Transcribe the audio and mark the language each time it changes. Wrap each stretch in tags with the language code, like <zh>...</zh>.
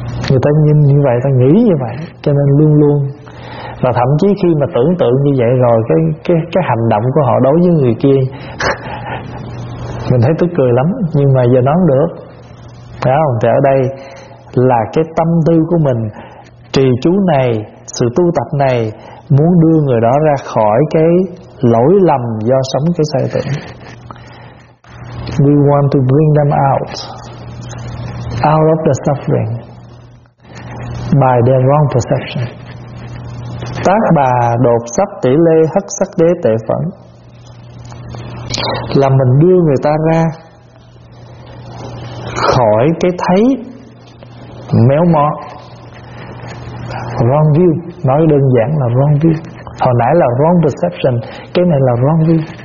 <vi>Người ta nhìn như vậy, ta nghĩ như vậy, cho nên luôn luôn. Và thậm chí khi mà tưởng tượng như vậy rồi, cái hành động của họ đối với người kia mình thấy tức cười lắm, nhưng mà giờ nó không được, phải không? Thì ở đây là cái tâm tư của mình, trì chú này, sự tu tập này muốn đưa người đó ra khỏi cái lỗi lầm do sống cái sai tưởng.</vi> <en>We want to bring them out of the suffering by their wrong perception.</en> <vi>Tát bà đột sắp tỷ lê hất sắc đế tệ phẩm, là mình đưa người ta ra khỏi cái thấy méo mó, wrong view. Nói đơn giản là wrong view. Hồi nãy là wrong perception, cái này là wrong view.</vi>